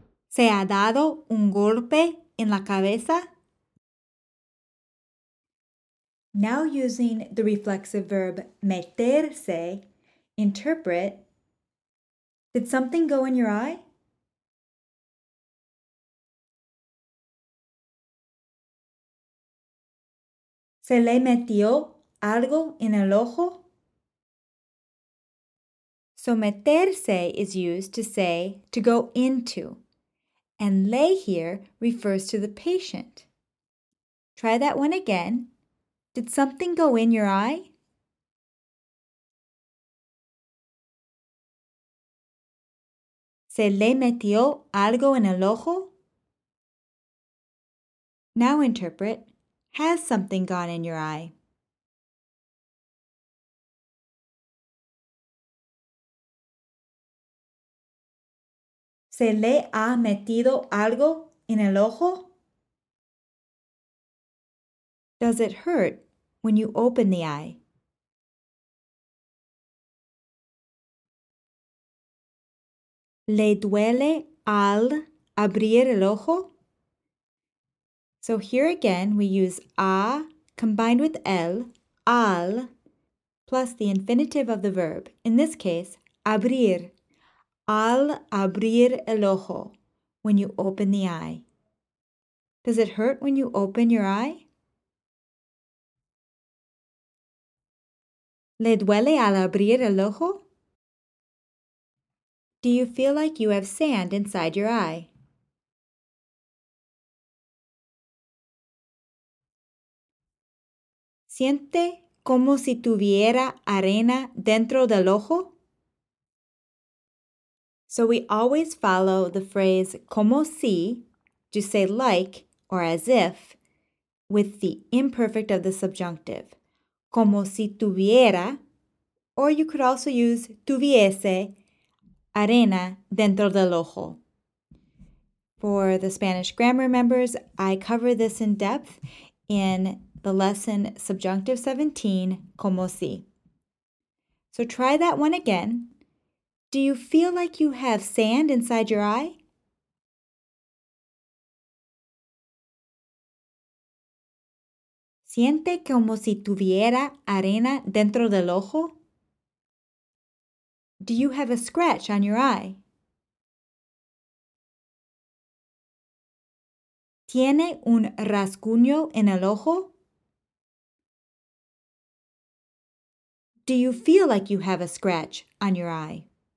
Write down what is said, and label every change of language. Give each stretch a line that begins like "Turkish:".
Spanish: ¿Se ha dado un golpe en la cabeza?
English: Now using the reflexive verb meterse, interpret, did something go in your eye?
Spanish: ¿Se le metió algo en el ojo?
English: So meterse is used to say to go into, and le here refers to the patient. Try that one again. Did something go in your eye?
Spanish: ¿Se le metió algo en el ojo?
English: Now interpret, has something gone in your eye?
Spanish: ¿Se le ha metido algo en el ojo?
English: Does it hurt when you open the eye?
Spanish: ¿Le duele al abrir el ojo?
English: So here again, we use a combined with el, al, plus the infinitive of the verb. In this case, abrir.
Spanish: Al abrir el ojo,
English: when you open the eye. Does it hurt when you open your eye?
Spanish: ¿Le duele al abrir el ojo?
English: Do you feel like you have sand inside your eye?
Spanish: ¿Siente como si tuviera arena dentro del ojo?
English: So we always follow the phrase como si, to say like or as if, with the imperfect of the subjunctive.
Spanish: Como si tuviera,
English: or you could also use
Spanish: tuviese, arena dentro del ojo.
English: For the Spanish grammar members, I cover this in depth in the lesson Subjunctive 17, como si. So try that one again. Do you feel like you have sand inside your eye?
Spanish: ¿Siente como si tuviera arena dentro del ojo?
English: Do you have a scratch on your eye?
Spanish: ¿Tiene un rasguño en el ojo?
English: Do you feel like you have a scratch on your eye?